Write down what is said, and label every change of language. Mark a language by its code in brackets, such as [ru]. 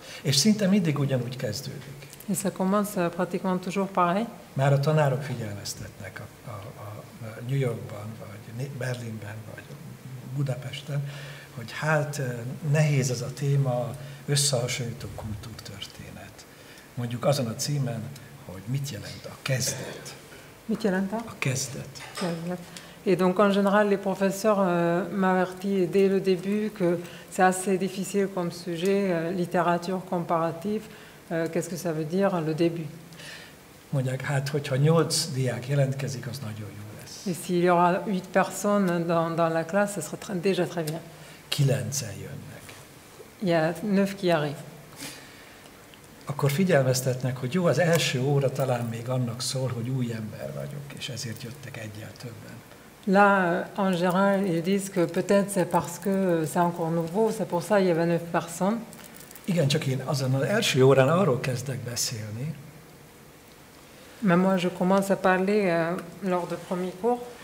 [hu] És szinte mindig ugyanúgy kezdődik. [fr] Et ça commence pratiquement toujours pareil. [hu] Már a tanárok figyelmeztetnek a New Yorkban, vagy Berlinben, vagy Budapesten, hogy hát nehéz ez a téma, összehasonlító kultúrtörténet. Mondjuk azon a címen, hogy mit jelent a kezdet. Mit jelent a? A kezdet. Kezdet. [fr] Et donc en général, les professeurs m'avertissent dès le début que c'est assez difficile comme sujet, littérature comparative. Qu'est-ce que ça veut dire le début? [hu] Mondják, hát, hogyha 8 diák jelentkezik, az nagyon jó lesz. [fr] Et s'il y aura 8 personnes dans la classe, ce sera déjà très bien. [hu] 9-en jönnek. [fr] Il y a 9 qui arrivent. [hu] Akkor figyelmeztetnek, hogy jó, az első óra talán még annak szól, hogy új ember vagyok, és ezért jöttek egyel többen. [fr] Là, en général, ils disent que peut-être c'est parce que c'est encore nouveau, c'est pour ça qu'il y avait 9 personnes. [hu] Igen, csak én azon az első órán arról kezdek beszélni. [fr] Mais moi, je commence à parler lors de premier cours.